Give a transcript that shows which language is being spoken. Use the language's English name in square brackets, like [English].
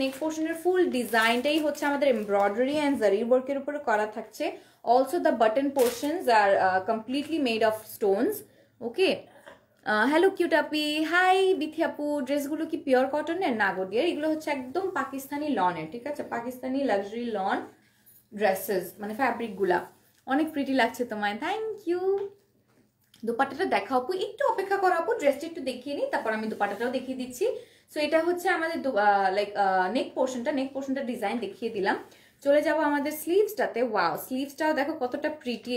[Bangla] Neck portion এর full design টাই হচ্ছে আমাদের embroidery and zari work এর উপরে করা থাকছে. [English] Also the button portions are completely made of stones. Okay. Hello cute api. Hi Bithi apu. [Bangla] Dress গুলো কি pure cotton এর না গো dear? এগুলো হচ্ছে একদম পাকিস্তানি lawn এর. ঠিক আছে? [English] Pakistani luxury lawn dresses. [Bangla] মানে fabric গুলো. অনেক pretty লাগছে তোমায়. [English] Thank you. [Bangla] দোপাটাটা দেখাও আপু. একটু অপেক্ষা করো আপু. Dressটা একটু দেখিয়ে নিই. তারপর আমি দোপাটাটাও দেখিয়ে দিচ্ছি. সো এটা হচ্ছে আমাদের লাইক নেক পোর্শনটা ডিজাইন দেখিয়ে দিলাম. চলে যাব আমাদের স্লিভসটাতে. ওয়াও স্লিভসটাও দেখো কতটা প্রিটি.